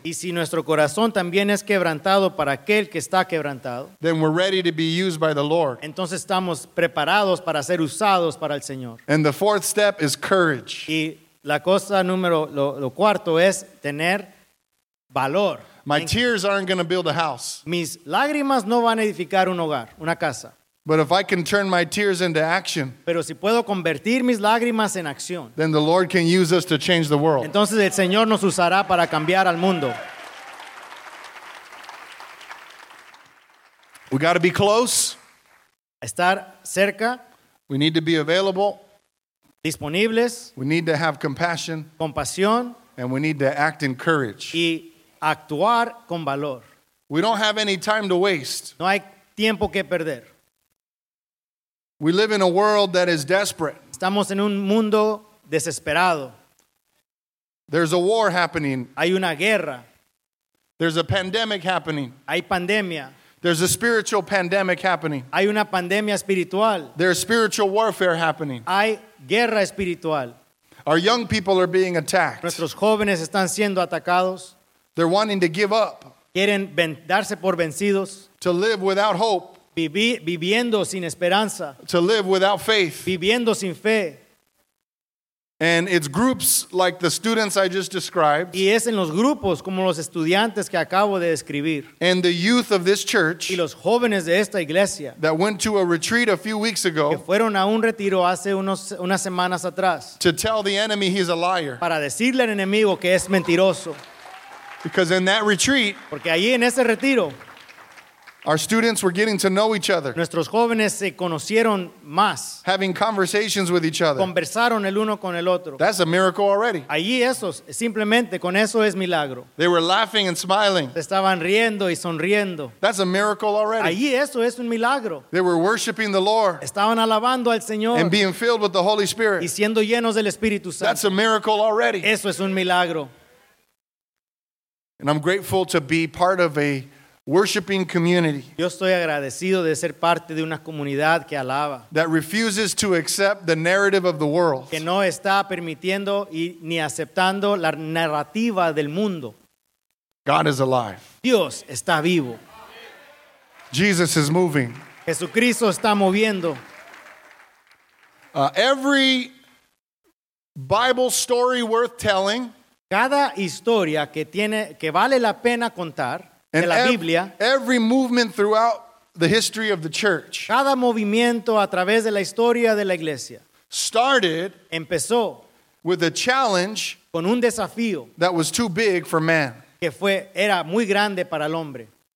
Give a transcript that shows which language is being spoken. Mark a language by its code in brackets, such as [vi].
[es] y si nuestro corazón también es quebrantado para aquel que está quebrantado, [en] then we're ready to be used by the Lord. [es] Entonces estamos preparados para ser usados para el Señor. [en] And the fourth step is courage. [es] Y la cosa número lo cuarto es tener valor. [en] My tears aren't going to build a house. [es] Mis lágrimas no van a edificar un hogar, una casa. [en] But if I can turn my tears into action, [es] pero si puedo convertir mis lágrimas en acción, [en] then the Lord can use us to change the world. [es] Entonces el Señor nos usará para cambiar al mundo. [en] We got to be close. [es] Estar cerca. [en] We need to be available. [es] Disponibles. [en] We need to have compassion. [es] Compasión. [en] And we need to act in courage. [es] Y actuar con valor. [en] We don't have any time to waste. [es] No hay tiempo que perder. [en] We live in a world that is desperate. [es] Estamos en un mundo desesperado. [en] There's a war happening. [es] Hay una guerra. [en] There's a pandemic happening. [es] Hay pandemia. [en] There's a spiritual pandemic happening. [es] Hay una pandemia espiritual. [en] There's spiritual warfare happening. [es] Hay guerra espiritual. [en] Our young people are being attacked. [es] Nuestros jóvenes están siendo atacados. [en] They're wanting to give up. [es] Quieren darse por vencidos. [en] To live without hope. [es] Viviendo sin esperanza. [en] To live without faith. [es] Viviendo sin fe. [en] And it's groups like the students I just described. [es] Y es en los grupos como los estudiantes que acabo de describir. [en] And the youth of this church. [es] Y los jóvenes de esta iglesia. [en] That went to a retreat a few weeks ago. [es] Que fueron a un retiro hace unas semanas atrás. [en] To tell the enemy he's a liar. [es] Para decirle al enemigo que es mentiroso. [en] Because in that retreat. [es] Porque allí en ese retiro. [en] Our students were getting to know each other. [es] Nuestros jóvenes se conocieron más. [en] Having conversations with each other. [es] Conversaron el uno con el otro. [en] That's a miracle already. [es] Allí esos, simplemente con eso es milagro. [en] They were laughing and smiling. [es] Estaban riendo y sonriendo. [en] That's a miracle already. [es] Allí eso es un milagro. [en] They were worshiping the Lord. [es] Estaban alabando al Señor. [en] And being filled with the Holy Spirit. [es] Y siendo llenos del Espíritu Santo. [en] That's a miracle already. [es] Eso es un milagro. [en] And I'm grateful to be part of a worshiping community. [es] Yo estoy agradecido de ser parte de una comunidad que alaba. [en] That refuses to accept the narrative of the world. [es] Que no está permitiendo y ni aceptando la narrativa del mundo. [en] God is alive. [es] Dios está vivo. [en] Jesus is moving. [es] Jesucristo está moviendo. [en] Every Bible story worth telling. [es] Cada historia que vale la pena contar. [en] And [es] de la Biblia, [en] every movement throughout the history of the church, [es] cada movimiento a través de la historia de la iglesia, [en] started [es] empezó [en] with a challenge [es] con un desafío [en] that was too big for man, [es] que fue era muy grande para el hombre.